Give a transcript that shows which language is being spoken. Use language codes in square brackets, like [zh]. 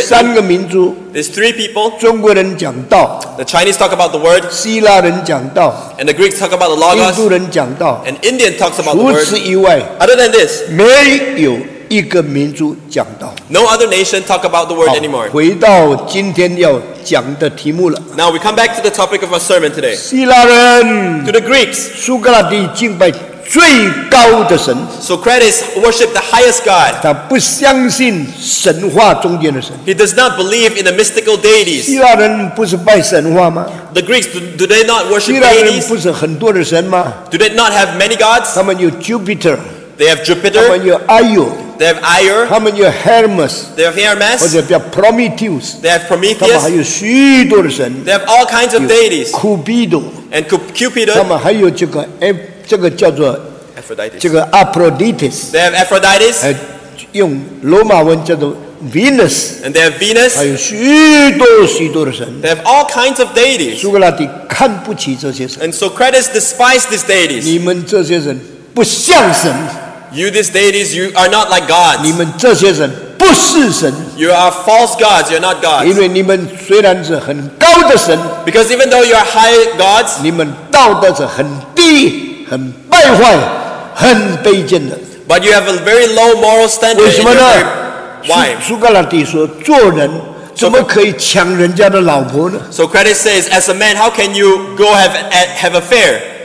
[zh] 这三个民族, [en] there's three people. [zh] 中国人讲道, [en] the Chinese talk about the word. [zh] 希腊人讲道, [en] and the Greeks talk about the Logos. [zh] 印度人讲道, [en] and Indian talks about the word. [zh] 除此以外, [en] other than this, [zh] 没有一个民族讲道, [en] no other nation talk about the word anymore. [zh] 回到今天要讲的题目了, [en] now we come back to the topic of our sermon today. [zh] 希腊人, [en] to the Greeks, [zh] 苏格拉底敬拜 最高的神, [en] Socrates worshipped the highest God. [zh] 他不相信神话中间的神, [en] he does not believe in the mystical deities. [zh] 希腊人不是拜神话吗? [en] The Greeks, do they not worship deities? [zh] 希腊人不是很多的神吗? [en] Do they not have many gods? [zh] 他们有 Jupiter, [en] they have Jupiter. [zh] 他们有 Io, [en] they have Io. [zh] 他们有 Hermes, [en] they have Hermes. [zh] 或者叫 Prometheus, [en] they have Prometheus. [zh] 他们还有许多的神, [en] they have all kinds of deities. [zh] Cupido, [en] and Cupido. [zh] 他们还有这个 这个叫做 Aphrodite, 这个 Aphrodite, [en] they have Aphrodite, [zh] 用罗马文叫做 Venus, [en] and they have Venus, [zh] 还有许多许多的神, [en] they have all kinds of deities. [zh] 苏格拉底看不起这些神, [en] and Socrates despised these deities. [zh] 你们这些人不像神, [en] you these deities, you are not like gods. [zh] 你们这些人不是神, [en] you are false gods, you are not gods. [zh] 因为你们虽然是很高的神, [en] because even though you are high gods, [zh] 你们道德是很低, 很败坏，很卑贱的。 [en] But you have a very low moral standard. 为什么呢? Very... Why? [zh] 苏格拉底说，做人怎么可以抢人家的老婆呢？ [en] Socrates says, as a man, how can you go have affair?